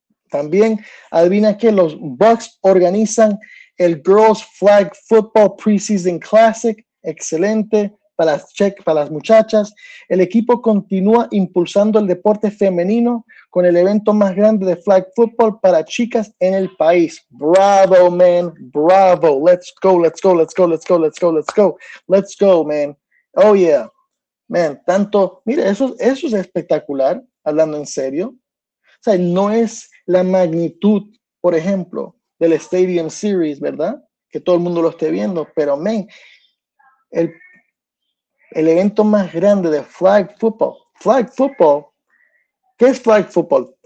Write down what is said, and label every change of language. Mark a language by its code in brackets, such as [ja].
[es] También, adivina que los Bucks organizan el Girls Flag Football Preseason Classic. Excelente. Para las muchachas, el equipo continúa impulsando el deporte femenino con el evento más grande de flag football para chicas en el país. Bravo, man, bravo. [en] Let's go, let's go, let's go, let's go, let's go, let's go, let's go, man. Oh yeah, man. [es] Tanto, mire, eso es espectacular. Hablando en serio, o sea, no es la magnitud, por ejemplo, del Stadium Series, ¿verdad? Que todo el mundo lo esté viendo, pero man, el evento más grande de flag football. Flag football. ¿Qué es flag football?